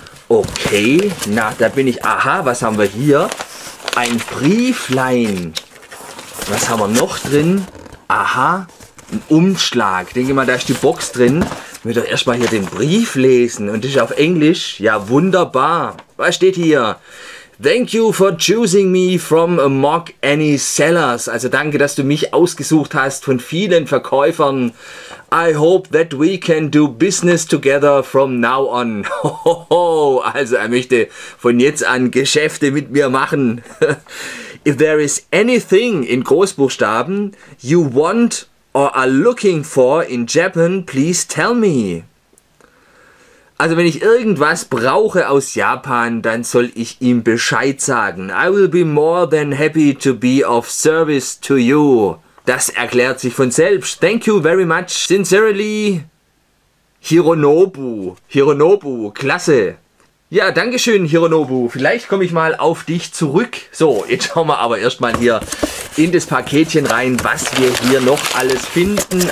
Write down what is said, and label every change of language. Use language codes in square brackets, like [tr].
[de] Okay, na, da bin ich. Aha, was haben wir hier? Ein Brieflein. Was haben wir noch drin? Aha, ein Umschlag. Denke mal, da ist die Box drin. Ich will doch erstmal hier den Brief lesen. Und das ist auf Englisch. Ja, wunderbar. Was steht hier? [en] Thank you for choosing me from among any sellers. [de] Also danke, dass du mich ausgesucht hast von vielen Verkäufern. [en] I hope that we can do business together from now on. [de] Hohoho, also er möchte von jetzt an Geschäfte mit mir machen. [en] If there is anything in Großbuchstaben you want or are looking for in Japan, please tell me. [de] Also wenn ich irgendwas brauche aus Japan, dann soll ich ihm Bescheid sagen. [en] I will be more than happy to be of service to you. [de] Das erklärt sich von selbst. [en] Thank you very much. Sincerely, Hironobu. [de] Hironobu, klasse. Ja, danke schön, Hironobu. Vielleicht komme ich mal auf dich zurück. So, jetzt schauen wir aber erstmal hier in das Paketchen rein, was wir hier noch alles finden.